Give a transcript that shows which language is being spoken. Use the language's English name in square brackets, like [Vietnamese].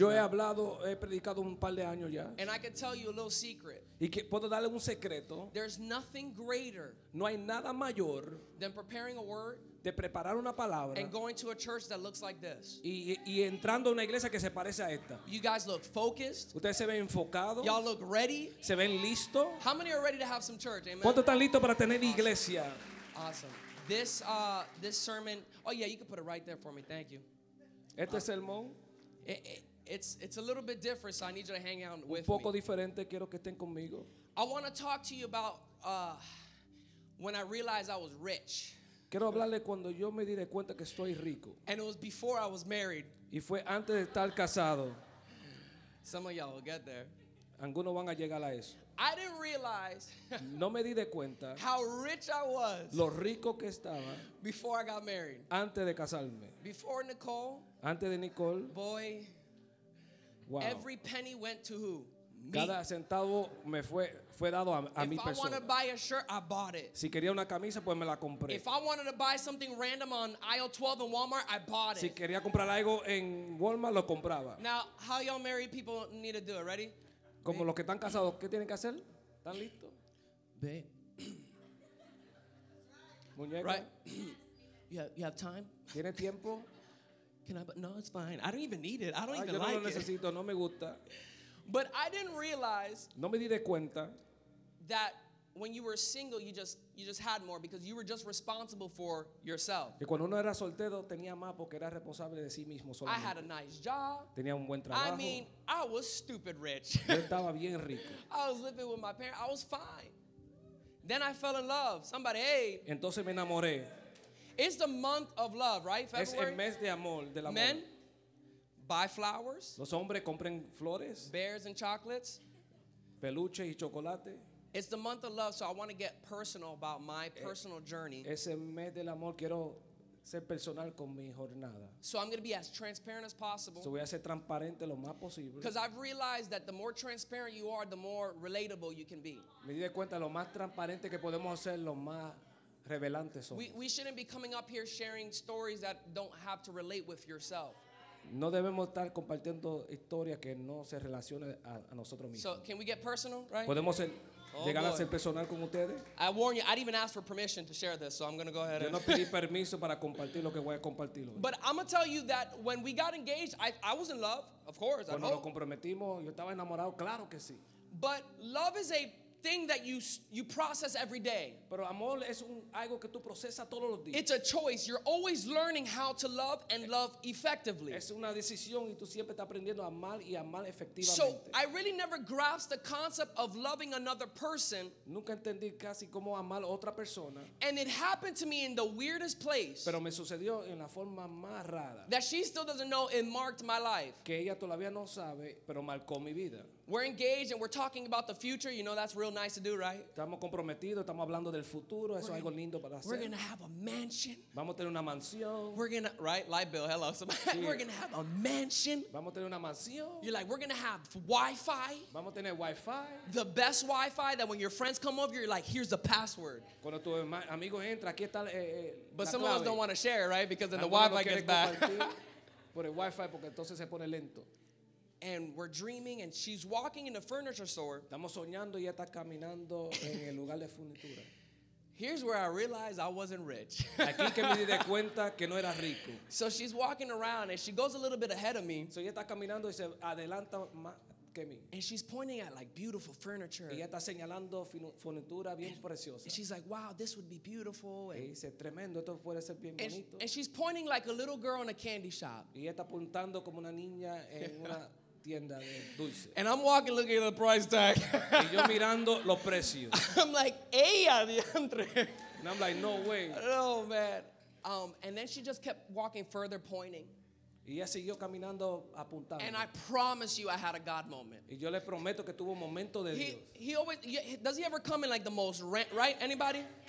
[Spanish] Yo he hablado, he predicado un par de años ya. [English] And I can tell you a little secret. [Spanish] Y que puedo darle un secreto. [English] There's nothing greater. [Spanish] No hay nada mayor. [English] Than preparing a word. [Spanish] De preparar una palabra. [English] And going to a church that looks like this. [Spanish] Y entrando a una iglesia que se parece a esta. [English] You guys look focused. [Spanish] Ustedes se ven enfocados. [English] Y'all look ready. [Spanish] Se ven listo. [English] How many are ready to have some church? Amen. [Spanish] ¿Cuántos están listos para tener iglesia? [English] Awesome. This sermon. Oh yeah, you can put it right there for me. Thank you. [Spanish] Este sermón. [English] It's a little bit different, so I need you to hang out with [Spanish] un poco [English] me. [Spanish] Diferente, quiero que estén conmigo. [English] I want to talk to you about when I realized I was rich. [Spanish] Quiero hablarle cuando yo me di de cuenta que estoy rico. [English] And it was before I was married. [Spanish] Y fue antes de estar casado. [English] Some of y'all will get there. [Spanish] Algunos van a llegar a eso. [English] I didn't realize [Spanish] no me di de cuenta [English] how rich I was [Spanish] lo rico que estaba [English] before I got married. [Spanish] Antes de casarme. [English] Before Nicole. [Spanish] Antes de Nicole. [English] Boy, wow. Every penny went to who? Me. [Spanish] Cada centavo me fue dado a mi persona. [English] If I wanted to buy a shirt, I bought it. [Spanish] Si quería una camisa, pues me la compré. [English] If I wanted to buy something random on aisle 12 in Walmart, I bought it. [Spanish] Si quería comprar algo en Walmart, lo compraba. [English] Now, how y'all married people need to do it? Ready? [Spanish] Como los que están casados, ¿qué tienen que hacer? ¿Están listos? Ve. Muñeca. [English] Right. You have time? [Spanish] ¿Tiene tiempo? [English] Can I? No, it's fine. I don't even need it. I don't even [Spanish] yo no [English] like [Spanish] lo necesito, [English] it. [Spanish] No me gusta. [English] But I didn't realize [Spanish] no me di de cuenta [English] that when you were single, you just had more because you were just responsible for yourself. [Spanish] Y cuando uno era soltero, tenía más porque era responsable de sí mismo solamente. [English] I had a nice job. [Spanish] Tenía un buen trabajo. [English] I mean, I was stupid rich. [Spanish] Yo estaba bien rico. [English] I was living with my parents. I was fine. Then I fell in love. Somebody, hey. [Spanish] Entonces me enamoré. [English] It's the month of love, right? February. [Spanish] Es el mes de amor, del amor. [English] Men buy flowers. [Spanish] Los hombres compren flores. [English] Bears and chocolates. [Spanish] Peluche y chocolate. [English] It's the month of love, so I want to get personal about my personal journey. [Spanish] Es el mes del amor, quiero ser personal con mi jornada. [English] So I'm going to be as transparent as possible. [Spanish] So voy a ser transparente lo más posible. [English] Because I've realized that the more transparent you are, the more relatable you can be. [Spanish] Me di cuenta lo más transparente que podemos ser lo más. [English] We shouldn't be coming up here sharing stories that don't have to relate with yourself. [Spanish] No debemos estar compartiendo historias que no se relacionen a nosotros mismos. [English] So can we get personal, right? [Spanish] Podemos llegar a ser personal con ustedes. [English] I warn you, I didn't even ask for permission to share this, so I'm going to go ahead. [Spanish] Yo no pedí permiso para compartir lo que voy a compartir. [English] But I'm going to tell you that when we got engaged, I was in love, of course. [Spanish] Cuando nos comprometimos, yo estaba enamorado, claro que sí. [English] But love is a thing that you process every day. [Spanish] Pero amor es un algo que tú procesas todos los días. [English] It's a choice. You're always learning how to love and love effectively. [Spanish] Es una decisión y tú siempre estás aprendiendo a amar y amar efectivamente. [English] So I really never grasped the concept of loving another person. [Spanish] Nunca entendí casi cómo amar otra persona. [English] And it happened to me in the weirdest place. [Spanish] Pero me sucedió en la forma más rara. [English] That she still doesn't know it marked my life. [Spanish] Que ella todavía no sabe, pero marcó mi vida. [English] We're engaged and we're talking about the future. You know that's real nice to do, right? [Spanish] Estamos comprometidos, estamos hablando del futuro. Eso es algo lindo para hacer. [English] We're gonna have a mansion. [Spanish] Vamos a tener una mansión. [English] We're gonna right light bill. Hello, somebody. Sí. We're gonna have a mansion. [Spanish] Vamos a tener una mansión. [English] You're like, we're gonna have Wi-Fi. [Spanish] Vamos a tener Wi-Fi. [English] The best Wi-Fi that when your friends come over, you're like, here's the password. [Spanish] Cuando tu amigo entra, aquí está. [English] But some of us don't want to share, right? Because then the Wi-Fi gets bad. [Spanish] Por el Wi-Fi porque entonces se pone lento. [English] And we're dreaming, and she's walking in the furniture store. [Spanish] Estamos soñando y ella está caminando en el lugar de furnitura. [English] Here's where I realized I wasn't rich. [Spanish] Aquí que me di de cuenta que no era rico. [English] So she's walking around, and she goes a little bit ahead of me. [Spanish] So ella está caminando y se adelanta más que mí. [English] And she's pointing at like beautiful furniture. [Spanish] Y ella está señalando furnitura bien preciosa. [English] And she's like, "Wow, this would be beautiful." [Spanish] Y dice, "Tremendo, esto puede ser bien bonito." [English] And she's pointing like a little girl in a candy shop. [Spanish] Y ella está apuntando como una niña en una [English] and I'm walking looking at the price tag. [Spanish] Yo mirando los precios. [English] I'm like, [Spanish] ella, diantre. [English] And I'm like, no way. Oh, man. And then she just kept walking further, pointing. And I promise you I had a God moment. Does he ever come in like the most right? Anybody?